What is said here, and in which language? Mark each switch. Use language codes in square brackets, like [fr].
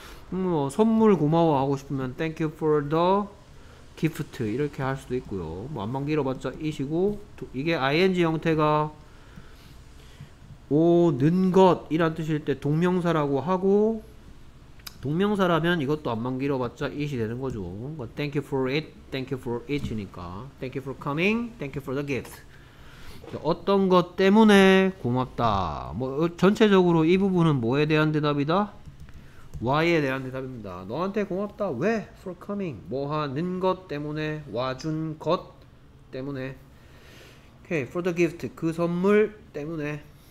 [ko] 뭐 선물 고마워 하고 싶으면 [en] thank you for the gift [ko] 이렇게 할 수도 있고요. 뭐 앞만 길어봤자 it이고 이게 ing 형태가 오는 것이란 뜻일 때 동명사라고 하고 동명사라면 이것도 앞만 길어봤자 it이 되는 거죠. [en] Thank you for it, thank you for it이니까. Thank you for coming, thank you for the gift. [ko] 어떤 것 때문에 고맙다. 뭐 전체적으로 이 부분은 뭐에 대한 대답이다? Why에 대한 대답입니다. 너한테 고맙다. 왜? [en] For coming. [ko] 뭐 하는 것 때문에, 와준 것 때문에. [en] Okay, for the gift. [ko] 그 선물 때문에.